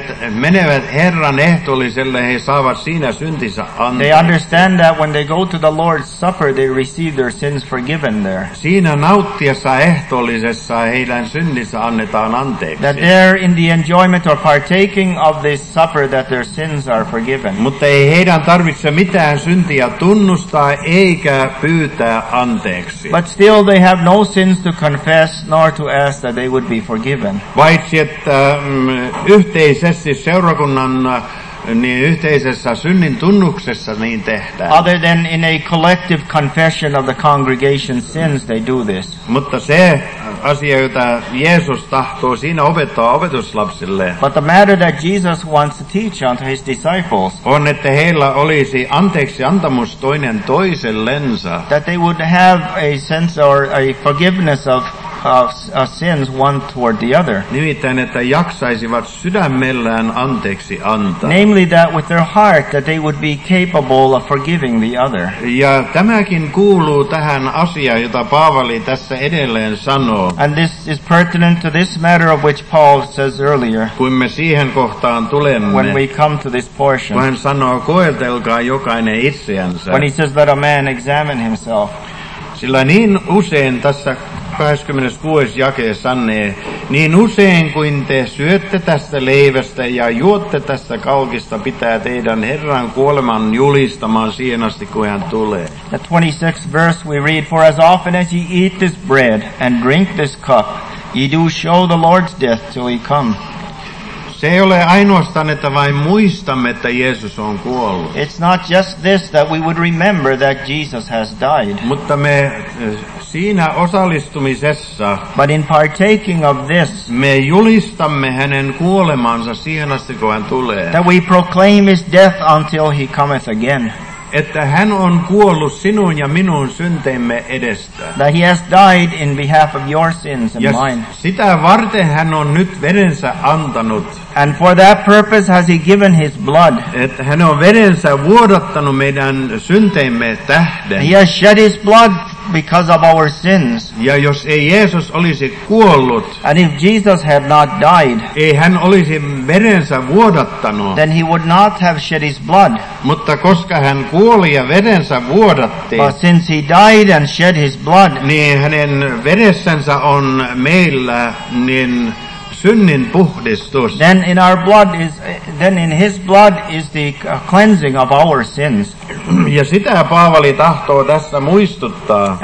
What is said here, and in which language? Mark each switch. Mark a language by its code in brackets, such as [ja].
[fi] menevät Herran ehtoolliselle, he saavat siinä syntinsä anteeksi. [en] They understand that when they go to the Lord's Supper, they receive their sins forgiven there. [fi] Siinä nauttiessa ehtoollisessa heidän syntinsä annetaan anteeksi. [en] That they're in the enjoyment or partaking of this supper that their sins are forgiven. [fi] Mutta ei heidän tarvitse mitään syntiä tunnustaa eikä pyytää anteeksi. [en] But still they have no sins to confess nor to ask that they would be forgiven. [fi] Paitsi että yhteisessä seurakunnan niin yhteisessä synnin tunnuksessa niin tehdään. [en] Other than in a collective confession of the congregation's sins, they do this. [fi] Mutta se asia, jota Jeesus tahtoo siinä opettaa opetuslapsille, [en] but the matter that Jesus wants to teach unto his disciples, [fi] on, että heillä olisi anteeksi antamus toinen toisellensa. [en] That they would have a sense or a forgiveness of sins one toward the other. [fi] Nimittäin, että jaksaisivat sydämellään anteeksi antaa. [en] Namely that with their heart that they would be capable of forgiving the other. [fi] Ja tämäkin kuuluu tähän asiaan, jota Paavali tässä edelleen sanoo. [en] And this is pertinent to this matter of which Paul says earlier. [fi] Kun me siihen kohtaan tulemme. [en] When we come to this portion. [fi] Kun hän sanoo, koetelkaa jokainen itseänsä. [en] When he says, let a man examine himself. [fi] Sillä niin usein tässä 26. jake sanoo, niin usein kuin te syötte tästä leivästä ja juotte tästä kalkista, pitää teidän Herran kuoleman julistamaan siihen asti, kun hän tulee. [en] The 26th verse we read, for as often as ye eat this bread and drink this cup, ye do show the Lord's death till he come. [fi] Se ei ole ainoastaan, että vain muistamme, että Jeesus on kuollut. [en] It's not just this that we would remember that Jesus has died. [fi] Mutta me siinä osallistumisessa, [en] but in partaking of this, [fi] me julistamme hänen kuolemansa siihen asti, kun hän tulee. [en] That we proclaim his death until he cometh again. [fi] Että hän on kuollut sinun ja minun synteimme edestä. [en] That he has died in behalf of your sins and [fi] ja [en] mine. [fi] Sitä varten hän on nyt verensä antanut. [en] And for that purpose has he given his blood. [fi] Että hän on verensä vuodattanut meidän synteimme tähden. [en] He has shed his blood because of our sins. [fi] Ja jos ei Jeesus olisi kuollut, [en] and if Jesus had not died, [fi] ei hän olisi verensä vuodattanut, [en] then he would not have shed his blood. [fi] Mutta koska hän kuoli ja verensä vuodatti, [en] but since he died and shed his blood, [fi] niin hänen veressänsä on meillä niin synnin puhdistus. [en] Then in our blood is, then in his blood is the cleansing of our sins. [fi] Ja sitä Paavali tahtoo tässä muistuttaa.